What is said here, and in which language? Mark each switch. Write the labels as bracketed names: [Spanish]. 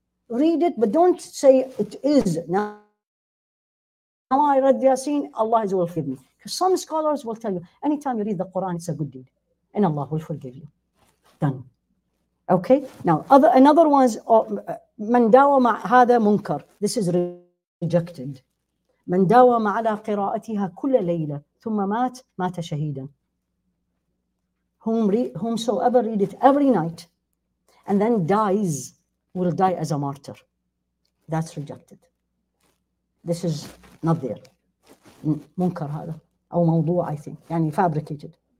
[English] Read it, but don't say it is. Now I read Yasin, Allah will forgive me. Because some scholars will tell you, anytime you read the Quran, it's a good deed. And Allah will forgive you. Done. Okay? Now, another one is, [Arabic] من داوم هذا منكر. [English] This is rejected. [Arabic] من داوم على قراءتها كل ليلة. ثم مات مات شهيدا. [English] Whomsoever read it every night and then dies will die as a martyr. That's rejected. This is not there. Munkar [Arabic] هذا أو موضوع [English] I think. [Arabic] يعني [English] fabricated.